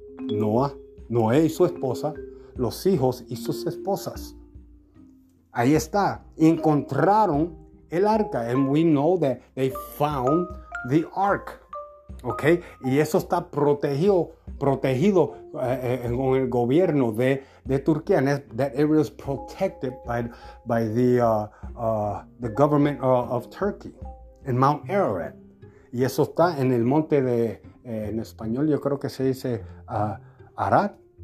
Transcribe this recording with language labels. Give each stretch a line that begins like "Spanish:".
Spanish: Noé y su esposa, los hijos y sus esposas. Ahí está. Encontraron el arca.
English: And we know that they found the ark. ¿Ok?
Spanish: Y eso está protegido con el gobierno de Turquía.
English: And that area is protected by the government of Turkey. In Mount Ararat.
Spanish: Y eso está en el monte de... en español yo creo que se dice Ararat.